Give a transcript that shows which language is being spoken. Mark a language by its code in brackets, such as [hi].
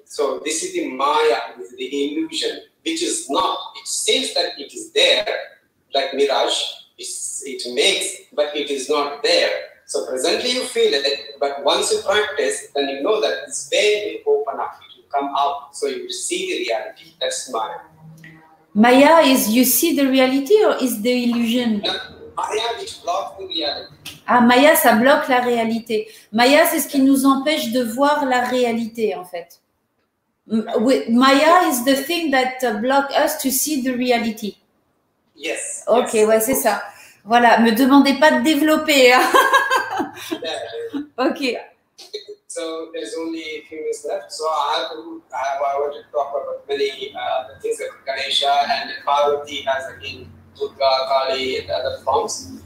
[en] So this is the Maya. This is the illusion. Which is not, it seems that it is there, like mirage, it makes, but it is not there. So presently you feel it, but once you practice, then you know that this veil will open up, it will come out, so you see the reality, that's Maya. Maya is you see the reality or is the illusion? Maya, it blocks the reality. [fr] Ah, Maya, ça bloque la réalité. Maya, c'est ce qui nous empêche de voir la réalité, en fait. [en] Maya is the thing that block us to see the reality. Yes. Ok, yes, [fr] ouais, c'est ça. Voilà, me demandez pas de développer. Hein. Ok. [en] So, there's only a few minutes left. So, I want to talk about many things like Ganesha and Parvati has again Durga, Kali and other forms.